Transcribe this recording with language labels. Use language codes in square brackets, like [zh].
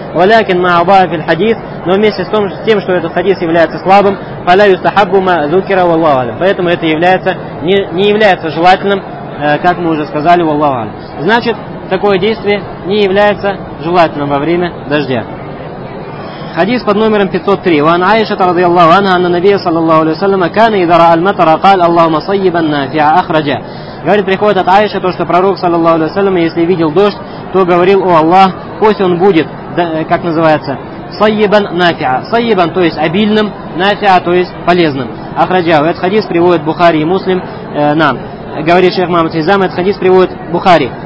[ar] «Валякин маабаафиль хадис». [ru] Но вместе с тем, что этот хадис является слабым, [ar] «Фаля юстахабу ма зукира валлаху алям». [ru] Поэтому это является, не является желательным, как мы уже сказали, валлаху алям. Значит, такое действие не является желательным во время дождя. Хадис под номером 503. [ar] وعن عائشة رضي الله عنها أن النبي صلى الله عليه وسلم كان إذا رأى المطر قال اللهم صيبا نافعا أخرجه. [ru] Говорит, приходит от Аиши то, что пророк, саллаллаху алейхи ва саллям, если видел дождь, то говорил: о Аллах, пусть он будет, как называется, сайибан нафиа. Сайибан, то есть обильным, нафиа, то есть полезным. Ахраджа. Этот хадис приводит Бухари и Муслим. Нам. Говорит шейх Мамад Хизам, этот хадис приводит Бухари.